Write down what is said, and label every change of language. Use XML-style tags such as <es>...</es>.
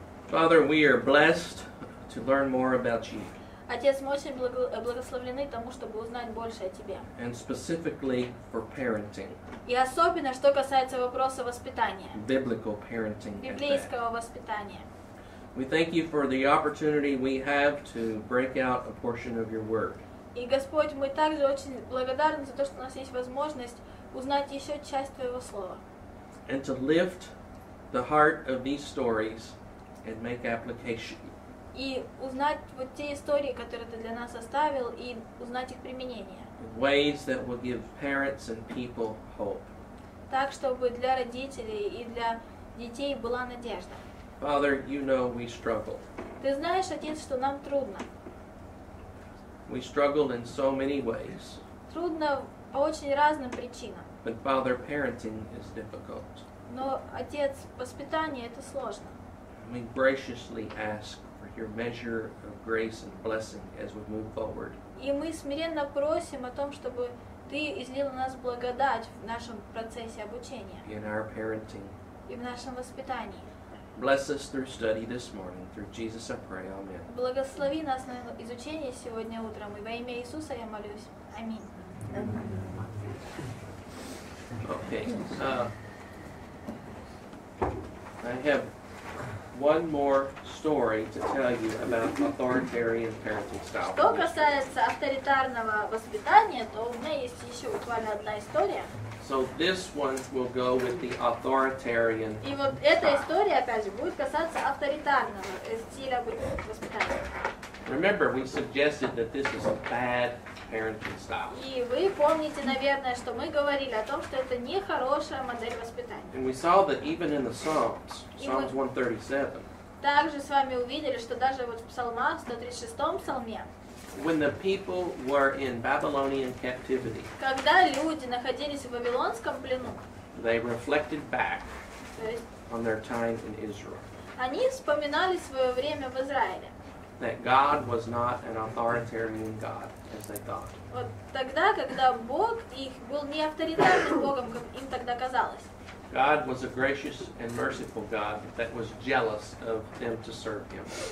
<en>Father, we are blessed to learn more about you.</en> <ru>Отец, мы очень благословлены тому, чтобы узнать больше о тебе.</ru> <en>And specifically for parenting.</en> <ru>И особенно, что касается вопроса воспитания.</ru> <en>Biblical parenting.</en> <ru>Библейского воспитания.</ru> <en>We thank you for the opportunity we have to break out a portion of your word.</en> <ru>И Господь, мы также очень благодарны за то, что у нас есть возможность узнать еще часть твоего слова.</ru> <en>And to lift the heart of these stories and make application.</en> <ru>И узнать вот те истории, которые ты для нас оставил, и узнать их применение.</ru> <en>Ways that will give parents and people hope.</en> <ru>Так, чтобы для родителей и для детей была надежда.</ru> <en>Father, you know we struggle.</en> <ru>Ты знаешь, Отец, что нам трудно.</ru> <en>We struggle in so many ways.</en> <ru>Трудно по очень разным причинам.</ru> <en>But Father, parenting is difficult.</en> <ru>Но, Отец, воспитание это сложно.</ru> <en>We graciously ask your measure of grace and blessing as we move forward.</en> <ru>И мы смиренно просим о том, чтобы ты излил на нас благодать в нашем процессе обучения.</ru> <en>In our parenting.</en> <ru>И в нашем воспитании.</ru> <en>Bless us through study this morning. Through Jesus I pray. Amen.</en> <ru>Благослови нас на изучение сегодня утром. И во имя Иисуса я молюсь. Аминь.</ru> <en>Okay. I have one more story to tell you about authoritarian parenting style.</en> <ru>Что касается авторитарного воспитания, то у меня есть еще буквально одна история.</ru> <en>So this one will go with the authoritarian.</en> <ru>И вот эта история опять же будет касаться авторитарного стиля воспитания.</ru> <en>Remember, we suggested that this is a bad parenting style.</en> <ru>И вы помните, наверное, что мы говорили о том, что это не хорошая модель воспитания.</ru> <en>And we saw that even in the Psalms, Psalms 137.</en> <ru>Также с вами увидели, что даже вот в Псалмах, 136-м псалме.</ru> <en>When the people were in Babylonian captivity.</en> <ru>Когда люди находились в вавилонском плену.</ru> <en>They reflected back on their time in Israel.</en> <ru>Они вспоминали свое время в Израиле.</ru> <en>That God was not an authoritarian God, as they thought.</en> <ru>Вот тогда, когда Бог их был не авторитарным Богом, как им тогда казалось.</ru> <en>God was a gracious and merciful God that was jealous of them to serve Him.</en>